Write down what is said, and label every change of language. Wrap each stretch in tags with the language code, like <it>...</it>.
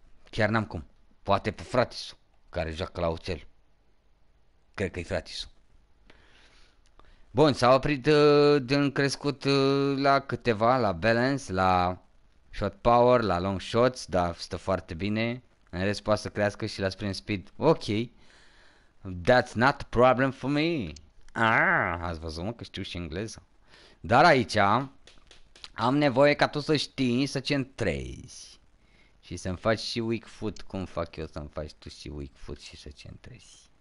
<ro>Chiar n-am cum. Poate pe fratisul, care joacă la Oțel. Cred că-i fratisul. Bun, s-a oprit din crescut la câteva, la balance, la shot power, la long shots, dar stă foarte bine. În rest poate să crească și la sprint speed. Ok.</ro> <en>That's not a problem for me.</en> <ro>Ah, ați văzut, mă, că știu și engleză. Dar aici am nevoie ca tu să știi să centrezi. Și să-mi faci și weak foot. Cum fac eu să-mi faci tu și weak foot și să centrezi?</ro>